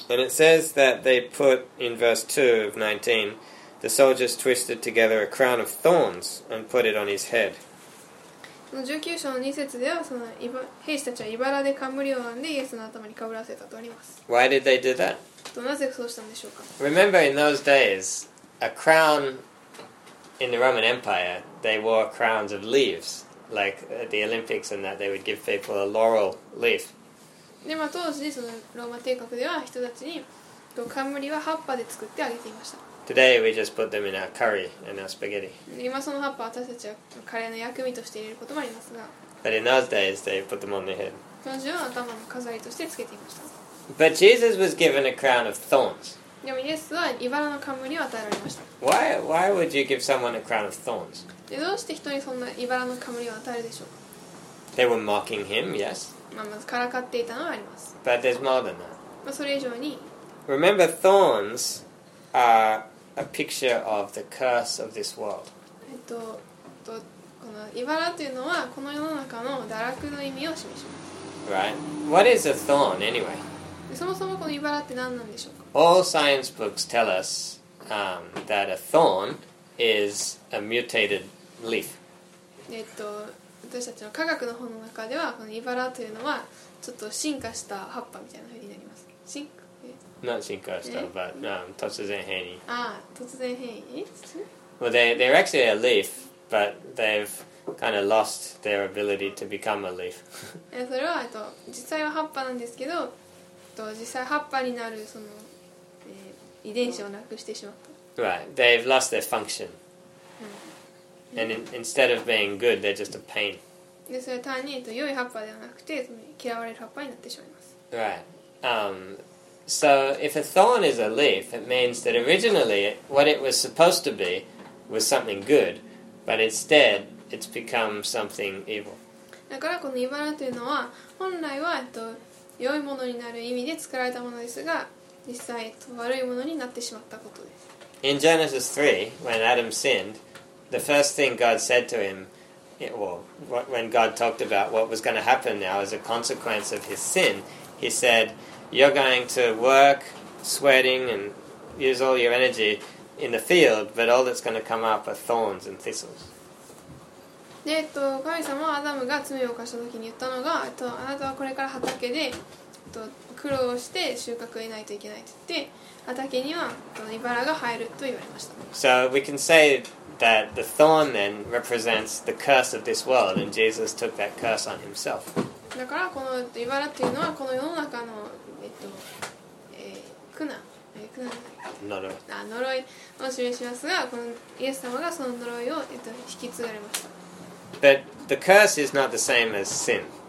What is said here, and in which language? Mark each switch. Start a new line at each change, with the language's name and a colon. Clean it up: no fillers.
English: And it says that they put in verse 2 of 19. The soldiers twisted together a crown of thorns and put it on his head.
Japanese: 19章の2節では、その兵士たちは茨で冠を編んでイエスの頭にかぶらせたとあります。
English: Why did they do that?
Japanese: なぜそうしたんでしょうか?
English: Remember in those days, a crown in the Roman Empire, they wore crowns of leaves, like at the Olympics and that they would give people a laurel leaf.
Japanese: でも当時、そのローマ帝国では人たちに冠は葉っぱで作ってあげていました。
English: Today we just put them in our curry and our spaghetti.
Japanese: 今その葉っぱは私たちはカレーの薬味として入れることもありますが。
English: But in those days they put them on their head.
Japanese: 当時は頭の飾りとしてつけていました。
English: But Jesus was given a crown of thorns.
Japanese: でもイエスは茨の冠を与えられました。
English: Why would you give someone a crown of thorns?
Japanese: でどうして人にそんな茨の冠を与えるでしょうか。
English: They were mocking him, yes.
Japanese: まずからかっていたのはあります。
English: But there's more than that.
Japanese: まそれ以上に。
English: Remember thornsare a picture of the curse of this world.
Japanese: この茨というのはこの世の中の堕落の意味を示します。
English: Right. What is a thorn anyway?
Japanese: そもそもこの茨って何なんでしょうか?
English: All science books tell us, that a thorn is a mutated leaf.
Japanese: 私たちの科学の本の中ではこのイバラというのはちょっと進化した葉っぱみたいな風になります。進化
English: not
Japanese: 進化した
English: but
Japanese: 突然変異。ああ、突然変異。
English: Well, they're actually a leaf, but they've kind of lost their ability to become a leaf.
Japanese: それは実際は葉っぱなんですけど、実際葉っぱになるその、遺伝子をなくしてしまった。
English: Right, they've lost their function. And instead of being good, they're just a pain.
Japanese: で、それは単に良い葉っぱではなくて、その嫌われる葉っぱになってしまいます。
English: Right. So if a thorn is a leaf, it means that originally what it was supposed to be was something good, but instead it's become something evil.
Japanese: だからこのイバラというのは本来は良いものになる意味で作られたものですが、実際悪いものになってしまったことです。
English: In Genesis 3, when Adam sinned, the first thing God said to him, when God talked about what was going to happen now as a consequence of his sin, he said,You're going to work, sweating, and use all your energy in the field, but all that's going to come up are thorns and thistles.
Japanese: で、神様はアダムが罪を犯した時に言ったのが、あなたはこれから畑で、苦労して収穫を得ないといけないと言って、畑には、茨が生えると言われました。
English: So we can say that the thorn then represents the curse of this world, and Jesus took that curse on himself.
Japanese: だからこの茨っていうのはこの世の中の
English: But the curse is not the same as sin.